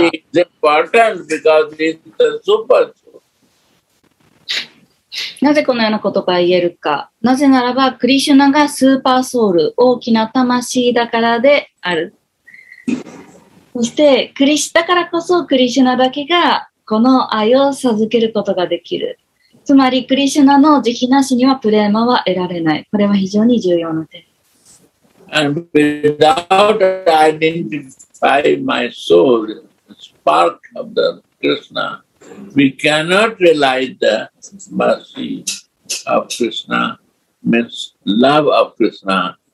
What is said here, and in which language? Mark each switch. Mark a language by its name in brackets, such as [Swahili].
[English] Krishna mercy is important because it's the super soul. [Japanese] なぜこのようなことが言えるか。なぜならば、クリシュナがスーパーソウル、大きな魂だからである。そして、クリシュナだからこそ、クリシュナだけがこの愛を授けることができる。つまり、クリシュナの慈悲なしにはプレーマは得られない。これは非常に重要な点。 [English] And without identify my soul, spark of the Krishna, we cannot realize the mercy of Krishna, means love of Krishna.